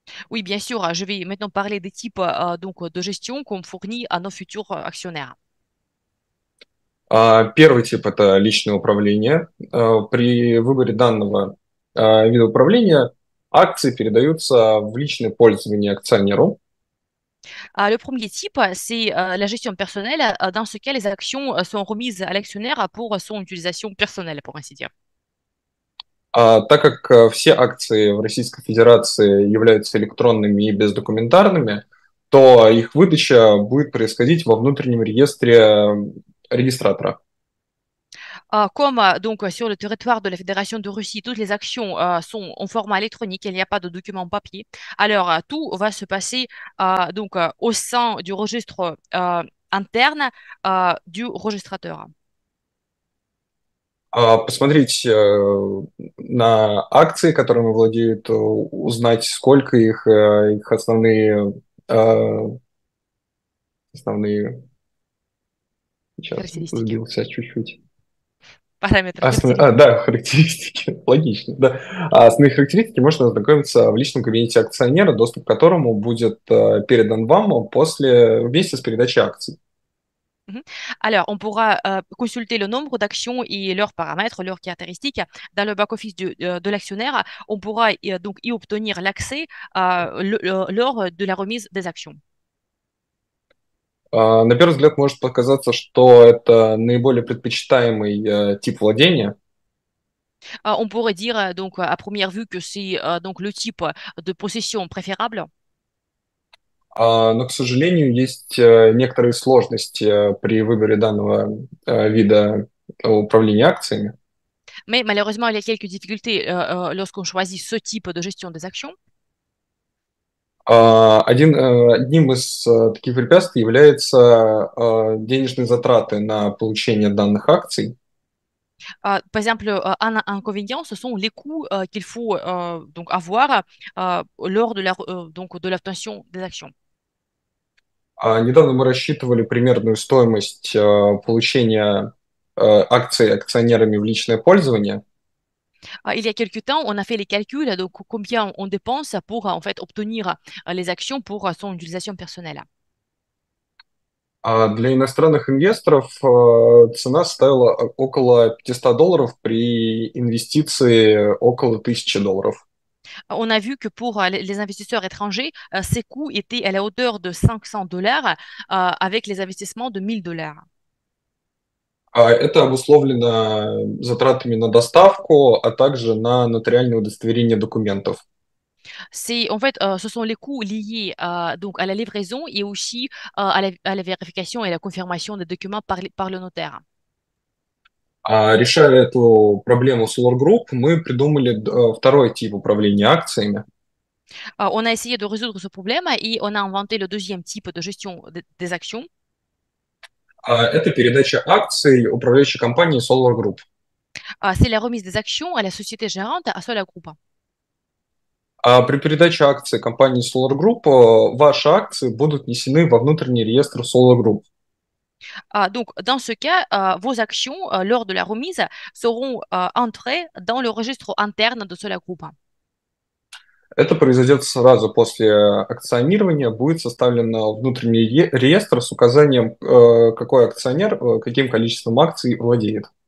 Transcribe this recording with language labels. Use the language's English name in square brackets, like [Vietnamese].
[French] Oui, bien sûr, je vais maintenant parler des types donc, de gestion qu'on fournit à nos futurs actionnaires. [Russian] Первый тип – это личное управление. При выборе данного вида управления акции передаются в личное пользование акционеру. [French] Le premier type, c'est la gestion personnelle, dans ce cas, les actions sont remises à l'actionnaire pour son utilisation personnelle, pour ainsi dire. [Russian] Так как все акции в Российской Федерации являются электронными и бездокументарными, то их выдача будет происходить во внутреннем реестре регистратора. [French] Comme donc sur le territoire de la Fédération de Russie, toutes les actions sont en format électronique, il n'y a pas de document papier. Alors tout va se passer donc au sein du registre interne du registrateur. [Russian] Посмотреть на акции, которыми владеют, узнать, сколько их основные сейчас Характеристики. сбился чуть-чуть. Параметры Основные, характеристики. да, характеристики. Логично, да. Основные характеристики можно ознакомиться в личном кабинете акционера, доступ к которому будет передан вам после вместе с передачей акций. [French] Alors, on pourra consulter le nombre d'actions et leurs paramètres, leurs caractéristiques dans le back-office de l'actionnaire. On pourra donc y obtenir l'accès lors de la remise des actions. [Russian] На первый взгляд может показаться, что это наиболее предпочитаемый тип владения. [French] On pourrait dire donc à première vue que c'est donc le type de possession préférable. [Russian] Но, к сожалению, есть некоторые сложности при выборе данного вида управления акциями. [French] Mais malheureusement, il y a quelques difficultés lorsqu'on choisit ce type de gestion des actions. [Russian] Одним из таких препятствий являются денежные затраты на получение данных акций. [French] Par exemple, un inconvénient, ce sont les coûts qu'il faut donc avoir lors de la donc de l'obtention des actions. [Russian] Недавно мы рассчитывали примерную стоимость получения акций акционерами в личное пользование. [French] Il y a quelque temps, on a fait les calculs, donc combien on dépense pour en fait obtenir les actions pour son utilisation personnelle. [Russian] Для иностранных инвесторов цена составила около 500 долларов при инвестиции около 1000 долларов. [French] On a vu que pour les investisseurs étrangers, ces coûts étaient à la hauteur de 500 dollars, avec les investissements de 1000 dollars. [Russian] Это обусловлено затратами на доставку, а также на нотариальное удостоверение документов. [French] C'est en fait, ce sont les coûts liés donc à la livraison et aussi à la vérification et la confirmation des documents par le notaire. [Russian] Решая эту проблему Solar Group, мы придумали второй тип управления акциями. [French] On a essayé de résoudre ce problème et on a inventé le deuxième type de gestion des actions. [Russian] Это передача акций управляющей компании Solar Group. [French] C'est la remise des actions à la société gérante, à Solar Group. [Russian] При передаче акций компании Solar Group ваши акции будут внесены во внутренний реестр Solar Group. [French] Donc, dans ce cas, vos actions, lors de la remise, seront entrées dans le registre interne de Solar Group. [Russian] Это произойдет сразу после акционирования, будет составлен внутренний реестр с указанием, какой акционер каким количеством акций владеет.